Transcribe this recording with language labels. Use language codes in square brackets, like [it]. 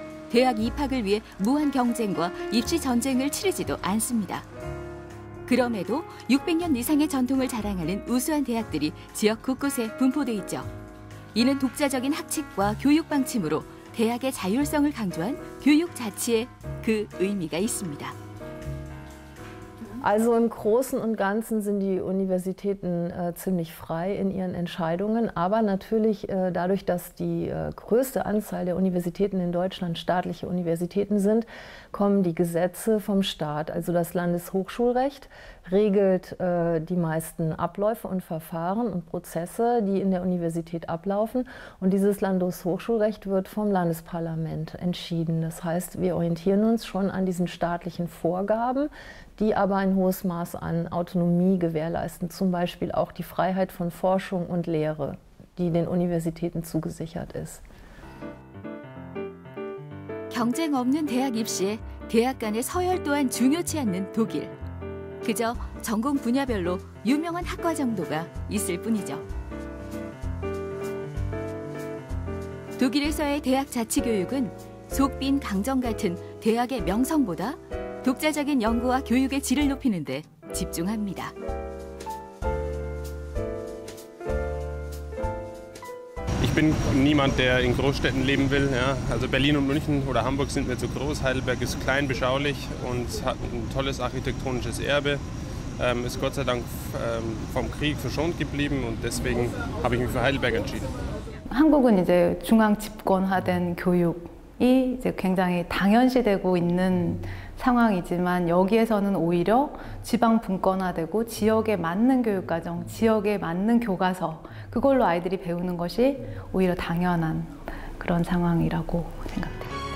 [ko] 대학 입학을 위해 무한 경쟁과 입시 전쟁을 치르지도 않습니다. 그럼에도 600년 이상의 전통을 자랑하는 우수한 대학들이 지역 곳곳에 분포돼 있죠. 이는 독자적인 학칙과 교육 방침으로 대학의 자율성을 강조한 교육 자체에 그 의미가 있습니다. [de] Also im Großen und Ganzen sind die Universitäten ziemlich frei in ihren Entscheidungen, aber natürlich dadurch, dass die größte Anzahl der Universitäten in Deutschland staatliche Universitäten sind, kommen die Gesetze vom Staat, also das Landeshochschulrecht regelt die meisten Abläufe und Verfahren und Prozesse, die in der Universität ablaufen. Und dieses Landeshochschulrecht wird vom Landesparlament entschieden. Das heißt, wir orientieren uns schon an diesen staatlichen Vorgaben, die aber ein hohes Maß an Autonomie gewährleisten, zum Beispiel auch die Freiheit von Forschung und Lehre, die den Universitäten zugesichert ist. [ko] 경쟁 없는 대학 입시에 대학 간의 서열 또한 중요치 않는 독일. 그저 전공 분야별로 유명한 학과 정도가 있을 뿐이죠. 독일에서의 대학 자치 교육은 속빈 강정 같은 대학의 명성보다 독자적인 연구와 교육의 질을 높이는 데 집중합니다. [th] นี่ไม่คนที่อยากอยู่ในเมืองใหญ่ๆ [de] Berlin und München oder Hamburg sind mir zu groß. Heidelberg ist klein, beschaulich und hat ein tolles architektonisches Erbe. Ist Gott sei Dank vom Krieg verschont geblieben und deswegen habe ich mich für Heidelberg entschieden. [ko] 한국은 이제 중앙 집권화된 교육이 이제 굉장히 당연시되고 있는 상황이지만 여기에서는 오히려 지방 분권화되고 지역에 맞는 교육 과정, 지역에 맞는 교과서 그걸로 아이들이 배우는 것이 오히려 당연한 그런 상황이라고 생각됩니다.